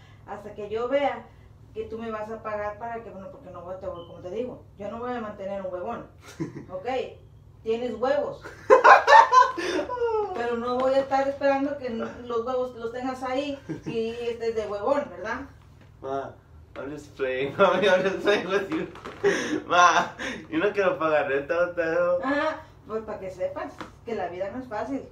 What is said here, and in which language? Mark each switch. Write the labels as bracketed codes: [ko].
[es] Hasta que yo vea que tú me vas a pagar para que, bueno, porque no te voy, como te digo, yo no voy a mantener un huevón. Ok, tienes huevos. Pero no voy a estar esperando que los huevos los tengas ahí y estés de huevón, ¿verdad? Ma. [en] I'm just playing, mami, I'm just playing with you. [es] Ma, yo no quiero pagar renta, no te dejo. Ah, pues para que sepas que la vida no es fácil.